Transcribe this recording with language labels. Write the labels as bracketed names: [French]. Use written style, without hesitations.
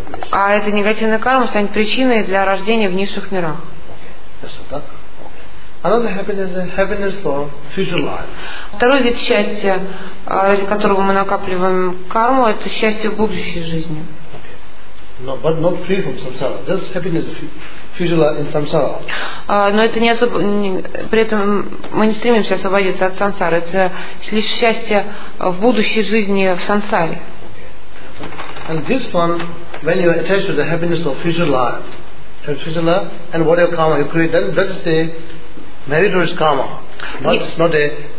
[Russian] А эта негативная карма станет причиной для рождения в низших мирах. [English] Another happiness is happiness for future life. [Russian] Второй вид счастья, ради которого мы накапливаем карму, это счастье в будущей жизни. [English] No, but not free from samsara. Just happiness future life in samsara. [Russian] Но это не особо, при этом мы не стремимся освободиться от сансары. Это лишь счастье в будущей жизни в сансаре. [English] And this one, when you attach to the happiness of future life, and whatever karma you create, then that's the meritorious karma, but it's not a